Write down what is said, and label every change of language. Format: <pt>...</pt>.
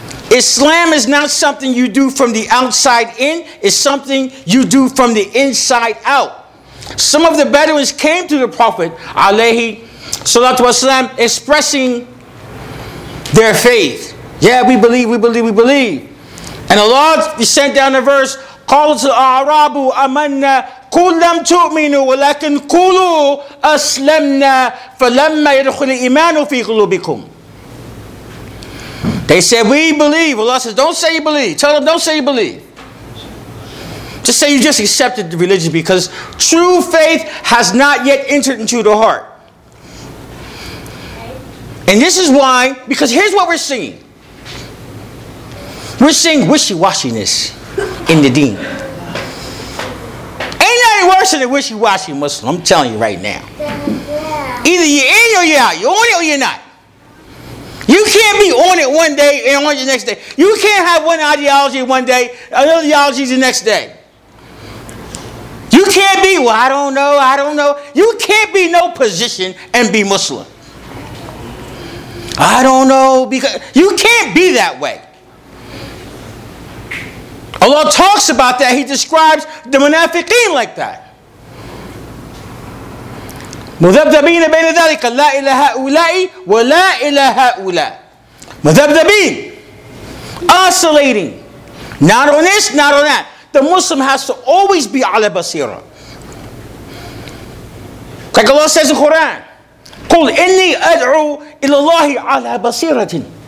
<en>Islam is not something you do from the outside in. It's something you do from the inside out. Some of the Bedouins came to the Prophet alayhi salatu wasalam expressing their faith. Yeah, we believe, we believe, we believe. And Allah sent down a verse,</en> <ar>قَالُ الْأَعْرَابُ أَمَنَّا كُلَّمْ تُؤْمِنُوا وَلَكِنْ قُولُوا أَسْلَمْنَا فَلَمَّا يَدْخُلِ الْإِيمَانُ فِي قُلُوبِكُمْ.</ar> <en>They said, we believe. Allah says, don't say you believe. Tell them, don't say you believe. Just say you just accepted the religion, because true faith has not yet entered into the heart. And this is why, because here's what we're seeing. We're seeing wishy-washiness in the deen. Ain't nothing worse than a wishy-washy Muslim, I'm telling you right now. Either you're in or you're out. You're on it or you're not. You can't be on it one day and on it the next day. You can't have one ideology one day, another ideology the next day. You can't be, well, I don't know, I don't know. You can't be no position and be Muslim. I don't know, because you can't be that way. Allah talks about that. He describes the munafiqeen like that.</en> <ar>مذبذبين بين ذلك لا إلى هؤلاء ولا إلى هؤلاء.</ar> <en>مذبذبين, oscillating, not on this, not on that. The Muslim has to always be</en> <ar>على بصيرة.</ar> <en>Like Allah says in Quran,</en> <ar>قل إني أدعو إلى الله على بصيرة.</ar>